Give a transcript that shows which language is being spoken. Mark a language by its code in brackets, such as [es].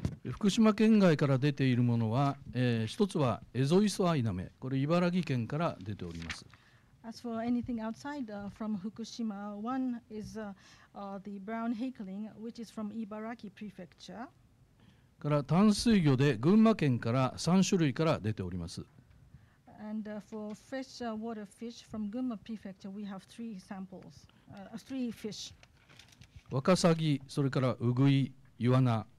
[ja] 福島県外から出ているものは、一つはエゾイソアイナメ、これ茨城県から出ております。 [en] As for anything outside from Fukushima, one is the brown hakeling, which is from Ibaraki Prefecture. [ja] から淡水魚で群馬県から3種類から出ております。 [en] And for fresh water fish from Gunma Prefecture, we have three samples, three fish. [ja] ワカサギ、それからウグイ、イワナ。